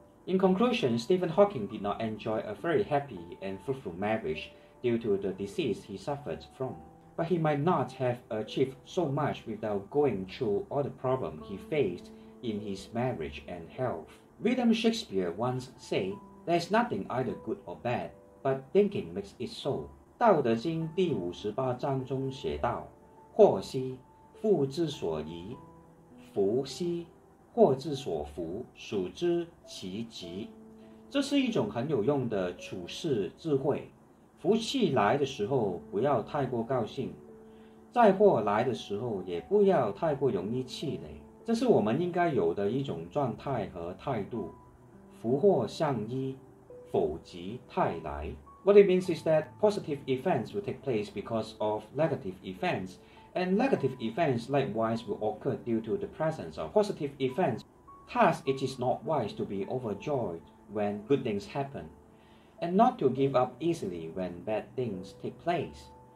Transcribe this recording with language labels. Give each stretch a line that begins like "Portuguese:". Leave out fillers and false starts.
English: In conclusion, Stephen Hawking did not enjoy a very happy and fruitful marriage due to the disease he suffered from. but he might not have achieved so much without going through all the problems he faced in his marriage and health. William Shakespeare once said, "There is nothing either good or bad, but thinking makes it so."
Chinese: 道德经第五十八章中写道，祸兮，福之所倚，福兮，祸之所伏，属之其极。这是一种很有用的处世智慧。福气来的时候不要太过高兴，灾祸来的时候也不要太过容易气馁，这是我们应该有的一种状态和态度。福祸相依，否极泰来。
English: What it means is that positive events will take place because of negative events, and negative events likewise will occur due to the presence of positive events. Thus, it is not wise to be overjoyed when good things happen, and not to give up easily when bad things take place.